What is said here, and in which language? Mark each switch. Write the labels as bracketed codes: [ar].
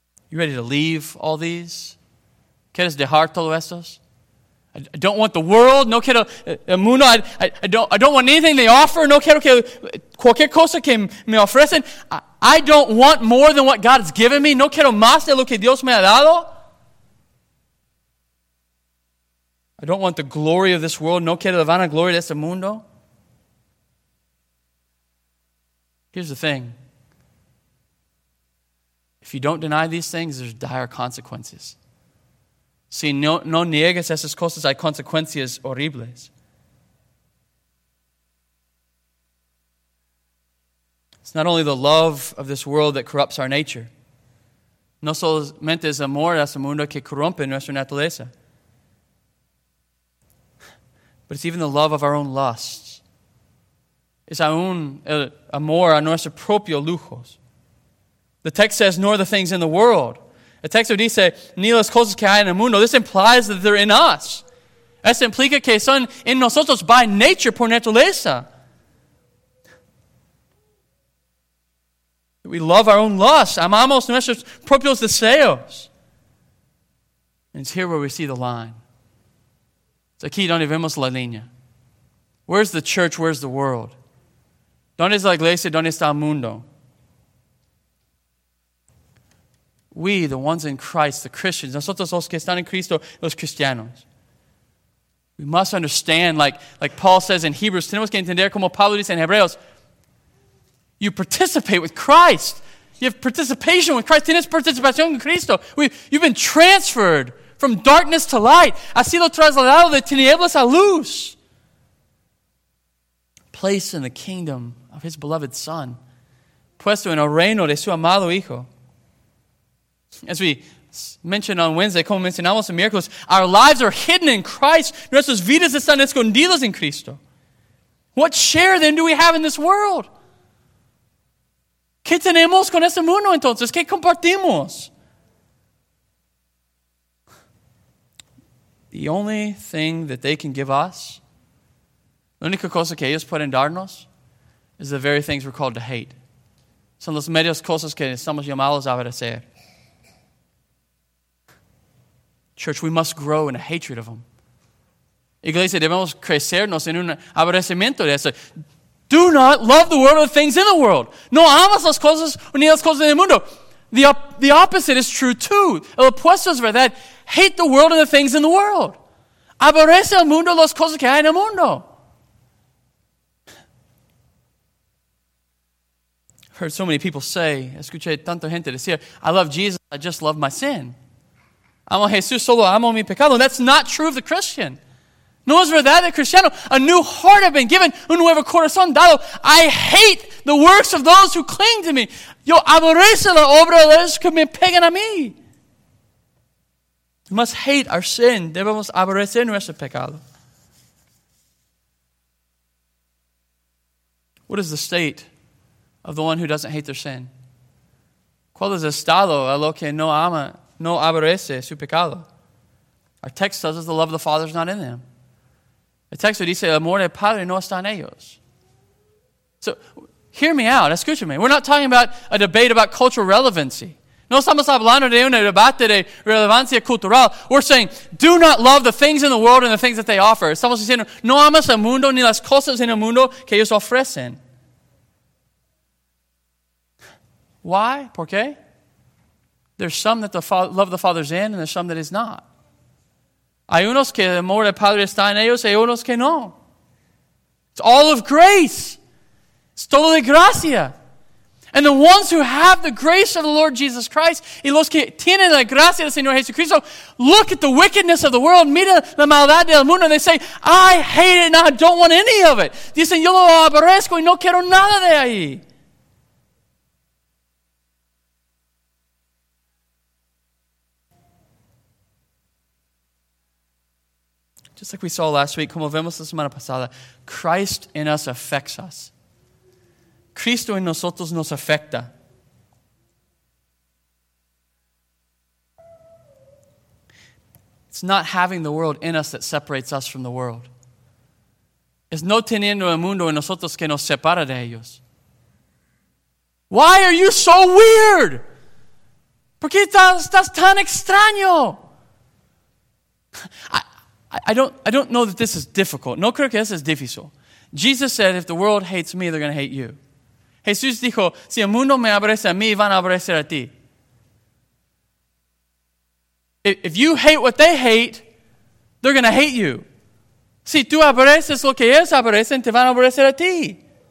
[en] You ready to leave all these? [es] ¿Quieres dejar todos estos? [en] I don't want the world. [es] No quiero el mundo. [en] I don't want anything they offer. [es] No quiero que cualquier cosa que me ofrecen. [en] I don't want more than what God has given me. [es] No quiero más de lo que Dios me ha dado. [en] I don't want the glory of this world. [es] No quiero la vanagloria de este mundo. [en] Here's the thing. If you don't deny these things, there's dire consequences. [es] Si no niegas esas cosas, hay consecuencias horribles. [en] It's not only the love of this world that corrupts our nature. [es] No solamente es amor a ese mundo que corrompe nuestra naturaleza. [en] But it's even the love of our own lusts. [es] Es aún el amor a nuestros propios lujos. [en] The text says, nor the things in the world. [es] El texto dice, ni las cosas que hay en el mundo. [en] This implies that they're in us. [es] Eso implica que son en nosotros [en] by nature, [es] por naturaleza. [en] We love our own lusts. [es] Amamos nuestros propios deseos. [en] And it's here where we see the line. It's [es] aquí donde vemos la línea. [en] Where's the church? Where's the world? [es] ¿Dónde está la iglesia? ¿Dónde está el mundo? [en] We, the ones in Christ, the Christians, [es] nosotros los que están en Cristo, los cristianos. [en] We must understand, like Paul says in Hebrews, [es] tenemos que entender como Pablo dice en Hebreos, [en] you participate with Christ. You have participation with Christ. [es] Tienes participación en Cristo. [en] You've been transferred from darkness to light. [es] Ha sido trasladado de tinieblas a luz. [en] Placed in the kingdom of His beloved Son. [es] Puesto en el reino de su amado Hijo. [en] As we mentioned on Wednesday, [es] como mencionamos en miércoles, [en] our lives are hidden in Christ. [es] Nuestras vidas están escondidas en Cristo. [en] What share then do we have in this world? [es] ¿Qué tenemos con este mundo entonces? ¿Qué compartimos? [en] The only thing that they can give us, [es] la única cosa que ellos pueden darnos, [en] is the very things we're called to hate. [es] Son las medias cosas que estamos llamados a aborrecer. [en] Church, we must grow in a hatred of them. [es] Iglesia, debemos crecernos en un aborrecimiento de eso. [en] Do not love the world or the things in the world. [es] No amas las cosas ni las cosas del mundo. [en] The opposite is true too. [es] El opuesto es verdad. [en] Hate the world and the things in the world. [es] Aborrece el mundo las cosas que hay en el mundo. [en] Heard so many people say, [es] escuché tanta gente decir, [en] I love Jesus, I just love my sin. [es] Amo a Jesús, solo amo mi pecado. [en] That's not true of the Christian. [es] No es verdad de cristiano. [en] A new heart has been given, [es] un nuevo corazón dado. [en] I hate the works of those who cling to me. [es] Yo aborrece la obra de los que me pegan a mí. [en] We must hate our sin. [es] Debemos aborrecer nuestro pecado. [en] What is the state of the one who doesn't hate their sin? [es] ¿Cuál es el estado a lo que no ama, no aborrece su pecado? [en] Our text tells us the love of the Father is not in them. [es] El texto dice, el amor del Padre no está en ellos. [en] So, hear me out, [es] escúchame. [en] We're not talking about a debate about cultural relevancy. [es] No estamos hablando de un debate de relevancia cultural. [en] We're saying, do not love the things in the world and the things that they offer. [es] Estamos diciendo, no amas el mundo ni las cosas en el mundo que ellos ofrecen. [en] Why? [es] ¿Por qué? [en] There's some that the love of the Father is in, and there's some that is not. [es] Hay unos que el amor del Padre está en ellos, hay unos que no. [en] It's all of grace. [es] Es todo de gracia. [en] And the ones who have the grace of the Lord Jesus Christ, [es] y los que tienen la gracia del Señor Jesucristo, [en] look at the wickedness of the world, [es] mira la maldad del mundo, [en] and they say, I hate it and I don't want any of it. [es] Dicen, yo lo aborrezco y no quiero nada de ahí. [en] Just like we saw last week, [es] como vemos la semana pasada, [en] Christ in us affects us. [es] Cristo en nosotros nos afecta. [en] It's not having the world in us that separates us from the world. [es] Es no teniendo el mundo en nosotros que nos separa de ellos. [en] Why are you so weird? [es] ¿Por qué estás tan extraño? [en] I don't know that this is difficult. [es] No creo que eso es difícil. [en] Jesus said, if the world hates me, they're going to hate you. [es] Jesús dijo, si el mundo me aborrece a mí, van a aborrecer a ti. [en] If you hate what they hate, they're going to hate you. [es] Si tú aborreces lo que ellos aborrecen, te van a aborrecer a ti.